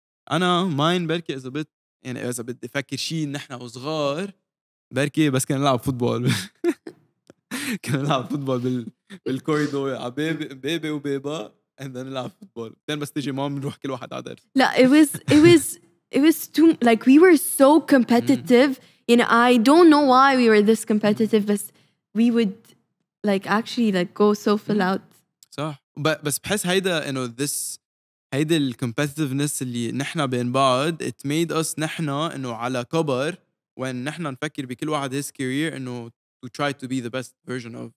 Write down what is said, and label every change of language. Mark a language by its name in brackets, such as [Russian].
[Arabic] أنا ماين بركي إذا بد يعني إذا بد أفكر شيء نحن وصغار بركي بس كنا نلعب فوتبول كنا نلعب فوتبول بالكوريدور بيبي وبيبا [English] and then [Arabic] نلعب فوتبول then بس تيجي مام نروح كل واحد على درس لا [English] it was too like we were so competitive you know I don't know why we were this competitive but we would like actually like go so full out [Arabic] صح بس بحس هيدا [English] you know this [Arabic] هيدي الكومبتيتيفنس اللي نحنا بين بعض [English] it made us [Arabic] نحنا انه على كبر وين نحنا نفكر بكل واحد [English] his career [Arabic] انه [English] to try to be the best version of